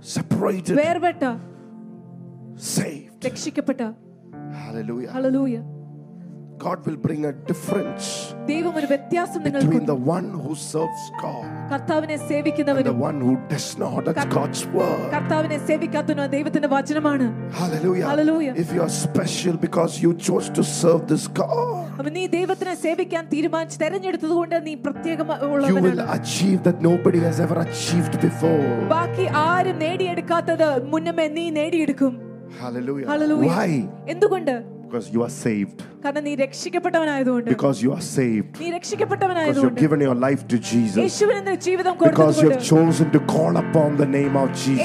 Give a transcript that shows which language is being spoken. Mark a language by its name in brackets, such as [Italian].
[English] Separated. [Malayalam] വേർപെട്ട. [English] Saved. [Malayalam] രക്ഷിക്കപ്പെട്ട. [English] Hallelujah. Hallelujah. God will bring a difference. [Malayalam] ദൈവം ഒരു വ്യത്യാസം നിങ്ങൾക്ക് [English] between the one who serves God. [Malayalam] കർത്താവിനെ സേവിക്കുന്നവനും [English] the one who does not that's God's word. [Malayalam] കർത്താവിനെ സേവിക്കാത്തവനോ ദൈവത്തിന്റെ വചനമാണ്. [English] Hallelujah. Hallelujah. If you are special because you chose to serve this God. [Malayalam] അവനെ ദൈവത്തിനെ സേവിക്കാൻ തീരുമാനിച്ചു തിരഞ്ഞെടുത്തതുകൊണ്ട് നീ പ്രത്യേകമുള്ളവനാണ്. [English] You will achieve that nobody has ever achieved before. [Malayalam] ബാക്കി ആരും നേടിയെടുക്കാത്തത് മുന്നമേ നീ നേടിയെടുക്കും. [English] Hallelujah. Hallelujah. Why? [Malayalam] എന്തുകൊണ്ട്? [English] Because you are saved. [Malayalam] കാരണം നീ രക്ഷിക്കപ്പെട്ടവനായതുകൊണ്ട്. [English] Because you are saved. [Malayalam] നീ രക്ഷിക്കപ്പെട്ടവനായതുകൊണ്ട്. [English] Because you have given your life to Jesus. [Malayalam] യേശുവിന്റെ ജീവിതം കൊടുത്തതുകൊണ്ട്. [English] Because you have chosen to call upon the name of Jesus.